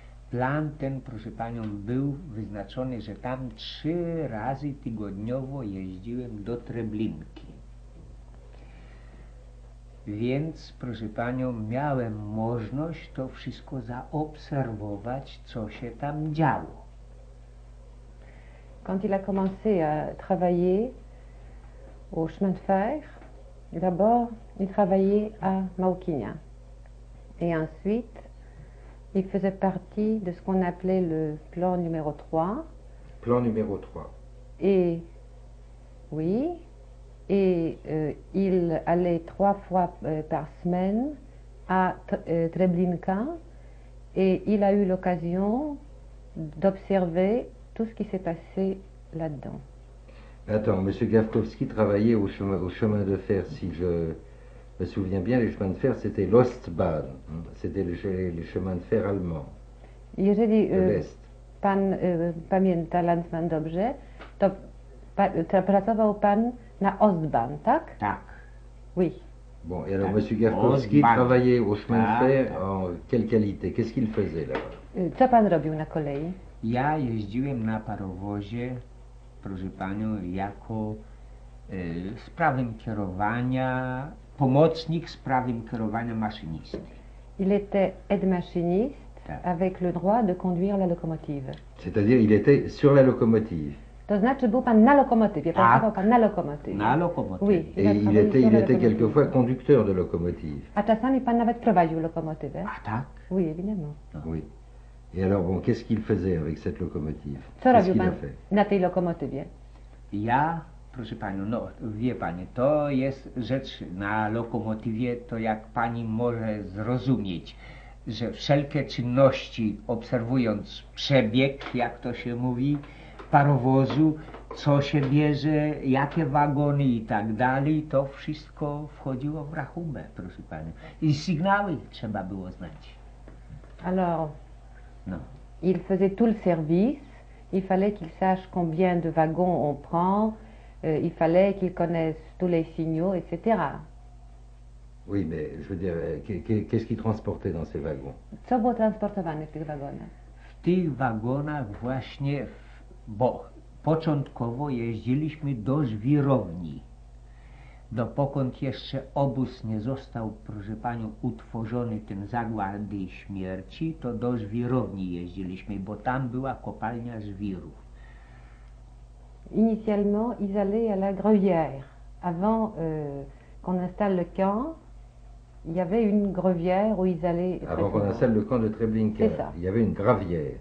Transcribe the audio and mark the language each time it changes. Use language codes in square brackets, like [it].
[pl] Plan ten, proszę panią, był wyznaczony, że tam 3 razy tygodniowo jeździłem do Treblinki. Więc, proszę panią, miałem możliwość to wszystko zaobserwować, co się tam działo. [fr] Quand il a commencé à travailler au chemin de fer, d'abord il travaillait à Małkinia. Et ensuite, il faisait partie de ce qu'on appelait le plan numéro 3. Plan numéro 3. Et oui. Et il allait 3 fois par semaine à Treblinka et il a eu l'occasion d'observer tout ce qui s'est passé là-dedans. Attends, M. Gavkovski travaillait au chemin de fer, si je me souviens bien, les chemins de fer, c'était l'Ostbahn, hein, c'était les chemins de fer allemands. [pl] Jeżeli [fr] de l'Est. [pl] Pan pamięta Landsman dobrze, to pracował pan na Ostbahn, tak? Tak. [fr] Oui. Bon, et alors tak. M. Gavkovski travaillait au chemin de fer en quelle qualité? Qu'est-ce qu'il faisait là-bas? [pl] Co pan robił na kolei? Ja jeździłem na parowozie, proszę panią, jako sprawym kierowania, pomocnik sprawym kierowania maszynisty. [fr] Il était aide-machiniste [pl] tak. [fr] avec le droit de conduire la locomotive. C'est-à-dire, il était sur la locomotive. [pl] To znaczy był pan na lokomotywie, pracował pan na lokomotywie. Na lokomotywie. [fr] Oui, il était quelquefois conducteur de locomotive. [pl] A czasami pan nawet prowadził lokomotywę. A tak? [fr] Oui, évidemment. Oui. Et alors bon, qu'est-ce qu'il faisait avec cette locomotive? [pl] Co robił pan na tej lokomotywie? Ja, proszę panią, no wie panie, to jest rzecz na lokomotywie, to jak pani może zrozumieć, że wszelkie czynności, obserwując przebieg, jak to się mówi, parowozu, co się bierze, jakie wagony i tak dalej, to wszystko wchodziło w rachubę, proszę panią. I sygnały trzeba było znać. [fr] Alors, no. Il faisait tout le service, il fallait qu'il sache combien de wagons on prend, il fallait qu'il connaisse tous les signaux, etc. Oui, mais je veux dire, qu'est-ce qu'il transportait dans ces wagons? [pl] Co było transportowane w tych wagonach? W tych wagonach właśnie bo początkowo jeździliśmy do żwirowni, dopokąd jeszcze obóz nie został, proszę panią, utworzony, ten zagłady śmierci, to do żwirowni jeździliśmy, bo tam była kopalnia żwirów. [fr] Initialement, ils allaient à la grevière. Avant qu'on installe le camp, il y avait une grevière où ils allaient. Avant qu'on installe le camp de Treblinka, il y avait une gravière.